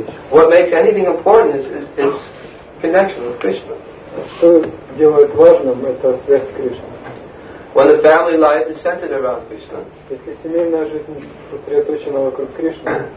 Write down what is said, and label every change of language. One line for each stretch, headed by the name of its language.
English: What makes anything important is connection with Krishna.
Russian: Что делает важным, это связь с Кришной.
English: When the family life is centered around Krishna,
Russian: если семейная жизнь сосредоточена вокруг Кришны,